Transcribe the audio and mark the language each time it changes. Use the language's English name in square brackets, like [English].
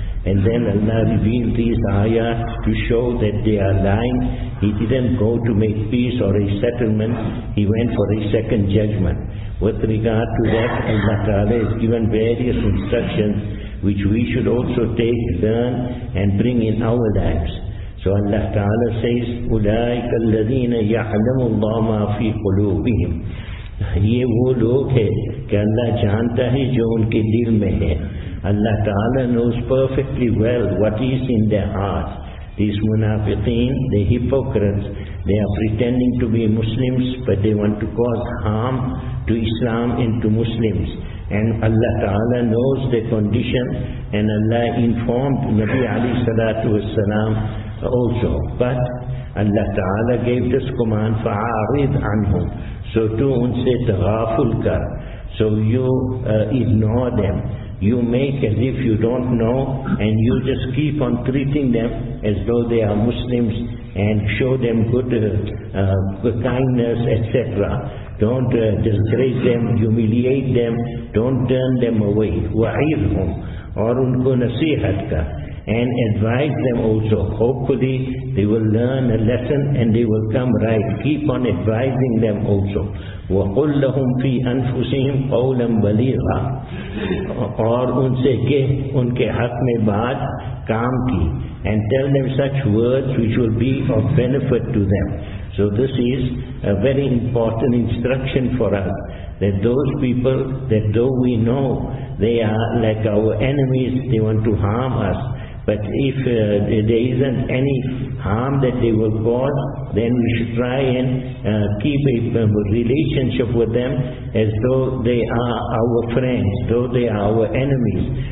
[English] And then Allah revealed these ayah to show that they are lying. He didn't go to make peace or a settlement, he went for a second judgment. With regard to that, Allah Ta'ala has given various instructions which we should also take, learn and bring in our lives. So Allah Ta'ala says, [Arabic] أُولَٰئِكَ الَّذِينَ يَعْلَمُ اللَّهُ مَا فِي قُلُوبِهِمْ. [Urdu] یہ وہ لوگ ہیں کہ اللہ جانتا ہے جو ان کے دل میں ہے. [English] Allah Ta'ala knows perfectly well what is in their hearts. These munafiqeen, the hypocrites, they are pretending to be Muslims but they want to cause harm to Islam and to Muslims. And Allah Ta'ala knows their condition and Allah informed Nabi Ali Salatu Wasalam also. But Allah Ta'ala gave this command, [Arabic] فَعَارِضْ عَنْهُمْ. [English] So [Urdu] to unse taghaful kar. [English] So you ignore them. You make as if you don't know and you just keep on treating them as though they are Muslims and show them good kindness, etc. Don't disgrace them, humiliate them, don't turn them away. [Arabic] وَعِذْهُمْ [Urdu] اور ان کو نصیحت کر. [English] And advise them also. Hopefully they will learn a lesson and they will come right. Keep on advising them also. [Arabic] وَقُلْ لَهُمْ فِي أَنفُسِهِمْ قَوْلًا بَلِيغًا. [Urdu] اور ان سے کہ ان کے حق میں بات کام کی. [English] And tell them such words which will be of benefit to them. So this is a very important instruction for us, that those people, that though we know they are like our enemies, they want to harm us, but if there isn't any harm that they will cause, then we should try and keep a relationship with them as though they are our friends, though they are our enemies.